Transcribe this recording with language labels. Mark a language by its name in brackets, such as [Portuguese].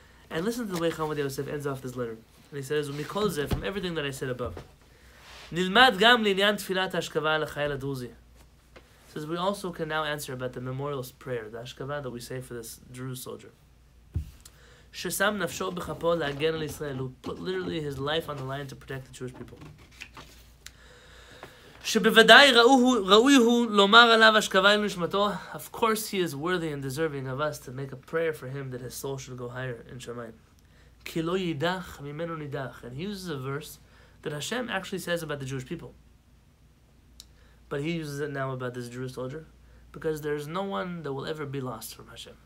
[English] And listen to the way Chavad Yosef ends off this letter. And he says, [Hebrew] "Mikol zeh, [English] from everything that I said above, [Hebrew] nilmad gam l'inyan tefilat hashkava l'chayel ha'druzi." [English] Says we also can now answer about the memorial prayer, the hashkava that we say for this Druze soldier. [Hebrew] Shesam nafsho b'chapo la'agen al Yisrael, [English] who put literally his life on the line to protect the Jewish people. [Hebrew] שבוודאי ראוי הוא לומר עליו השכבה לנשמתו. [English] Of course he is worthy and deserving of us to make a prayer for him that his soul should go higher in Shemayim. [Hebrew] כי לא יידח ממנו נידח. [English] And he uses a verse that Hashem actually says about the Jewish people. But he uses it now about this Jewish soldier, because there is no one that will ever be lost from Hashem.